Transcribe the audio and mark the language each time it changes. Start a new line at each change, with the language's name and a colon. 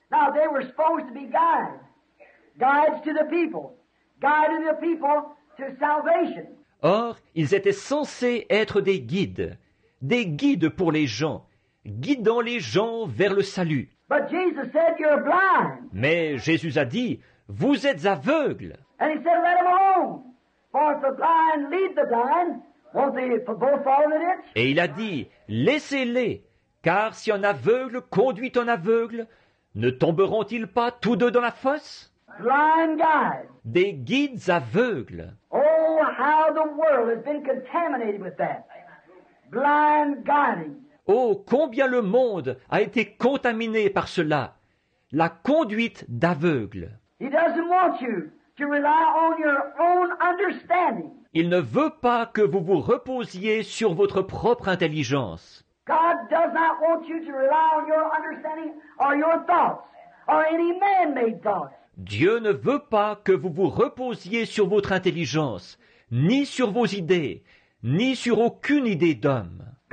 English: Now, they were supposed to be guides. Guides to the people. Guiding the people to salvation.
French: Or, ils étaient censés être des guides pour les gens, guidant les gens vers le salut.
English: But Jesus said, you're blind.
French: Mais Jésus a dit, vous êtes aveugles.
English: And he said, let them alone, for if the blind lead the blind, won't they both fall in the ditch?
French: Et il a dit, laissez-les, car si un aveugle conduit un aveugle, ne tomberont-ils pas tous deux dans la fosse?
English: Blind guides.
French: Des guides aveugles.
English: Oh, how the world has been contaminated with that. Blind guiding.
French: Oh, combien le monde a été contaminé par cela. La conduite d'aveugles.
English: He doesn't want you to rely on your own understanding.
French: Il ne veut pas que vous vous reposiez sur votre propre intelligence.
English: God does not want you to rely on your understanding or your thoughts or any man-made thoughts.
French: Dieu ne veut pas que vous vous reposiez sur votre intelligence, ni sur vos idées, ni sur aucune idée d'homme.